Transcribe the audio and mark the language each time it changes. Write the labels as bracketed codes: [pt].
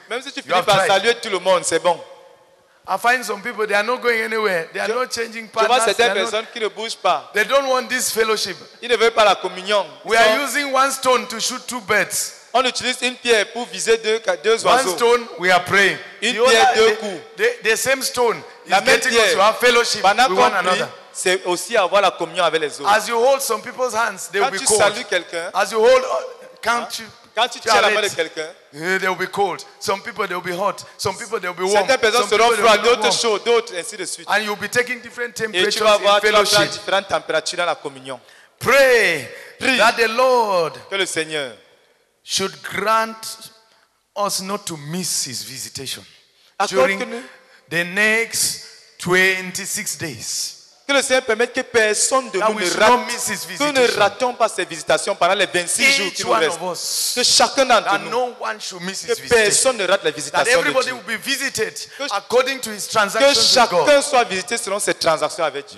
[fr] Même si tu finis par saluer tout le monde, c'est bon. [en] I find some people, they are not going anywhere. They are not changing partners. [fr] Je vois certaines personnes qui ne bougent pas. [en] They don't want this fellowship. [fr] Ils ne veulent pas la communion. [en] We are using one stone to shoot two birds. [fr] On utilise une pierre pour viser deux oiseaux. [en] One stone, we are praying. [fr] Une pierre, deux coups. [en] The same stone is getting us to have fellowship with one another. [fr] C'est aussi avoir la communion avec les autres. [en] As you hold some people's hands, they will be cold. [fr] Quand tu salues quelqu'un, [en] as you hold, can't you? [fr] Quand tu tiens la main de quelqu'un, [en] they will be cold. Some people they will be hot. Some people they will be warm. [fr] Certaines personnes seront froides, d'autres chaudes, d'autres ainsi de suite. [en] And you'll be taking different temperatures in [fr] different températures dans la communion. [en] Pray that the Lord, [fr] que le Seigneur, [en] should grant us not to miss His visitation during the next 26 days. [fr] Que le Seigneur permette que personne de nous ne rate, que nous ne ratons pas ses visitations pendant les 26 [en] each [fr] jours qui nous restent. Que chacun d'entre nous, que personne ne rate les visitations de Dieu. Que chacun soit visité selon ses transactions avec Dieu.